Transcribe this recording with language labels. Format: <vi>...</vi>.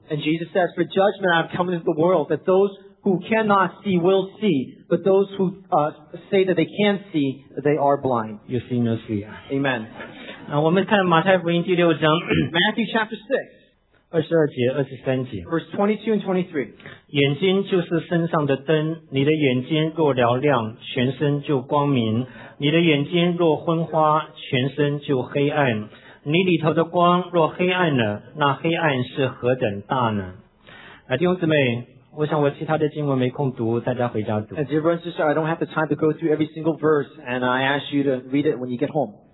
<en>And Jesus says, "For judgment I've come into the world, that those who cannot see will see, but those who say that they can see, they are blind." You see, no see. Amen.</en> <zh>我们看马太福音第六章，</zh> <en>Matthew chapter 6,</en> <zh>22节、23节。</zh> <en>Verse 22 and 23.</en> <zh>眼睛就是身上的灯，你的眼睛若嘹亮，全身就光明。你的眼睛若昏花，全身就黑暗。你里头的光若黑暗了，那黑暗是何等大呢？弟兄姊妹，我想我其他的经文没空读，大家回家读。</zh> <en>And dear brothers and sisters, I don't have the time to go through every single verse, and I ask you to read it when you get home.</en>